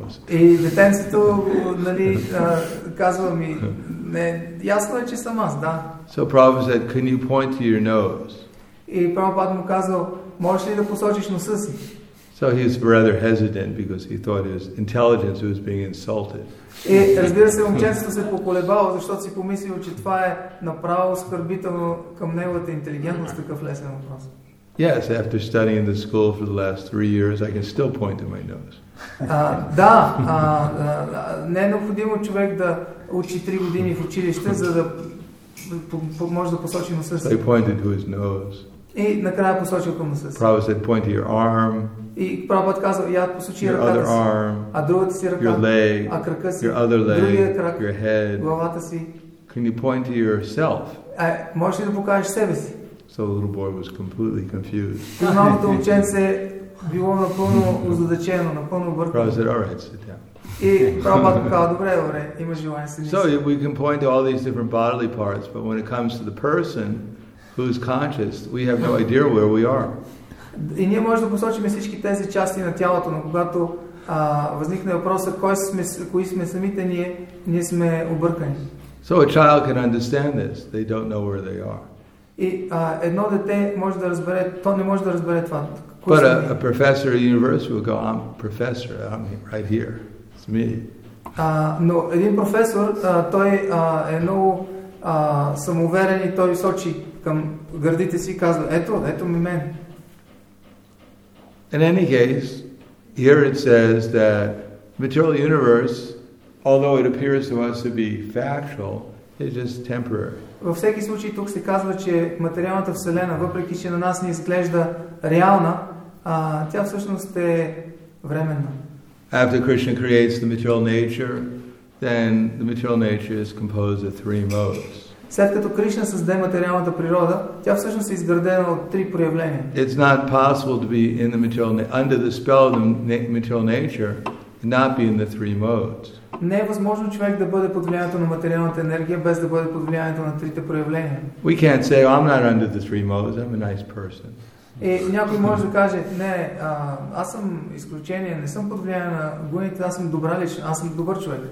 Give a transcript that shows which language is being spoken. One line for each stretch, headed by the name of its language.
Bulgarian: И детенцето, нали, казва ми, не, ясно е, че съм аз, да.
English: So Prabhupada said, "Can you point to your nose?"
Bulgarian: И Прабхупада му казал, "Можеш ли да посочиш носа си?"
English: So he was rather hesitant because he thought his intelligence was being insulted.
Bulgarian: И разбира се, момченцето се поколебало, защото си помислило, че това е направо оскърбително към неговата интелигентност, такъв лесен въпрос.
English: Yes, after studying in the school for the last 3 years, I can still point to my nose.
Bulgarian: Да, не е необходимо човек да учи 3 години в училище, за да може да посочи носа си.
English: He pointed to his nose.
Bulgarian: И накрая посочил към носа си.
English: Prabhupada said, point to your arm.
Bulgarian: И Прабхупада казва, я посочи ръката си.
English: Your other arm.
Bulgarian: А другата си ръка.
English: Your leg.
Bulgarian: А крака си.
English: Your other leg.
Bulgarian: Другия крак.
English: Your head.
Bulgarian: Главата си.
English: Can you point to yourself?
Bulgarian: Можеш ли да покажеш себе си?
English: So the little boy was completely confused.
Bulgarian: И малкото момченце било напълно озадачено, напълно объркано.
English: Prabhupada said, all right, sit down.
Bulgarian: И Прабхупада казва, добре, добре, има желание си.
English: So we can point to all these different bodily parts, but when it comes to the person who's conscious, we have no idea where we are.
Bulgarian: И ние можем да посочим всички тези части на тялото, но когато възникне въпроса, кои сме самите ние, ние сме объркани.
English: So a child can understand this. They don't know where they are.
Bulgarian: И едно дете може да разбере, то не може да разбере това.
English: But a professor at university will go, I'm a professor, I'm right here, it's me.
Bulgarian: Но един професор, той е много самоуверен и той сочи към гърдите си и казва, ето, ето ми мен.
English: In any case, here it says that material universe, although it appears to us to be factual, is just temporary.
Bulgarian: Във всеки случай тук се казва, че материалната вселена, въпреки че на нас не изглежда реална, тя всъщност е временна.
English: After Krishna creates the material nature, then the material nature is composed of 3 modes.
Bulgarian: След като Кришна създаде материалната природа, тя всъщност е изградена от 3 проявления.
English: It's not possible to be in the material under the spell of the material nature and not be in the 3 modes.
Bulgarian: Не е възможно човек да бъде под влиянието на материалната енергия без да бъде под влиянието на трите проявления.
English: We can't say, oh, I'm not under the 3 modes, I'm a nice person.
Bulgarian: И някой може да каже, не, аз съм изключение, не съм под влияние на гуните, аз съм добра личност, аз съм добър човек.